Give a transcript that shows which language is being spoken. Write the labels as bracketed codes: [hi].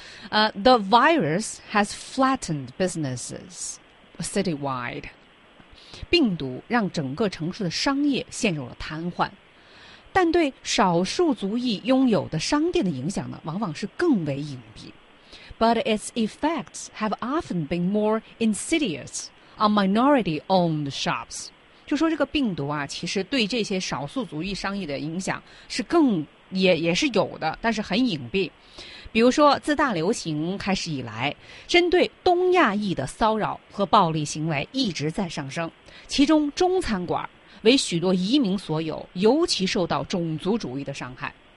[en] The virus has flattened businesses citywide. [zh] 病毒让整个城市的商业陷入了瘫痪，但对少数族裔拥有的商店的影响呢，往往是更为隐蔽。 [en] But its effects have often been more insidious on minority-owned shops. [zh] 就说这个病毒啊，其实对这些少数族裔商业的影响是更也是有的，但是很隐蔽。比如说，自大流行开始以来，针对东亚裔的骚扰和暴力行为一直在上升，其中中餐馆为许多移民所有，尤其受到种族主义的伤害。